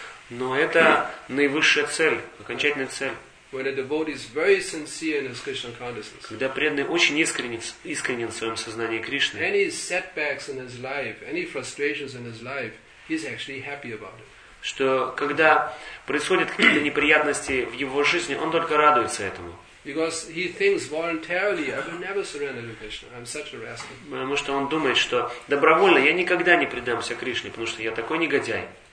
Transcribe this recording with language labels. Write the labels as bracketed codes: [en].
[ru] Но это наивысшая цель, окончательная цель. [en] When a devotee is very sincere in his Krishna consciousness. [ru] Когда преданный очень искренен в своем сознании Кришны. [en] Any setbacks in his life, any frustrations in his life, he's actually happy about it. [ru] Что когда происходят какие-то неприятности в его жизни, он только радуется этому. [en] Because he thinks voluntarily, I will never surrender to Krishna. I'm such a rascal. [ru] Потому что он думает, что добровольно я никогда не предамся Кришне, потому что я такой негодяй.